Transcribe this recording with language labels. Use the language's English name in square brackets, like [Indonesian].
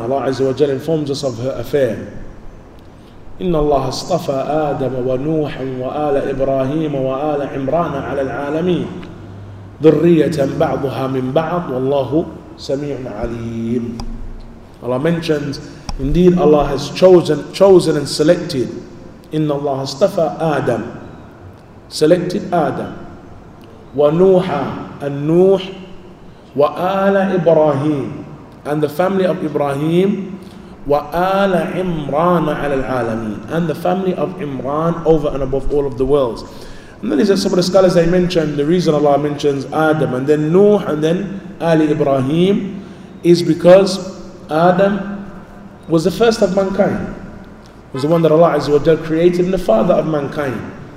[English] Allah Azza wa Jalla informs us of her affair. [Arabic] إِنَّ اللَّهَ اصْطَفَى آدَمَ وَنُوحًا وَآلَ إِبْرَاهِيمَ وَآلَ عِمْرَانَ عَلَى الْعَالَمِينَ ذُرِّيَّةً بَعْضُهَا مِنْ بَعْضٍ وَاللَّهُ سَمِيعٌ عَلِيمٌ. [English] Allah mentions, indeed Allah has chosen and selected. [Arabic] إِنَّ اللَّهَ اصْطَفَى آدَمَ, [English] selected Adam. [Arabic] وَنُوحًا, [English] and Nuh. [Arabic] وَآلَ إِبْرَاهِيمَ, [English] and the family of Ibrahim. [Arabic] وَآلَ عِمْرَانَ عَلَى الْعَالَمِينَ, [English] and the family of Imran over and above all of the worlds. And then he said, some of the scholars, they mentioned the reason Allah mentions Adam and then Nuh and then Ali Ibrahim is because Adam was the first of mankind, was the one that Allah Azza wa Jalla created and the father of mankind.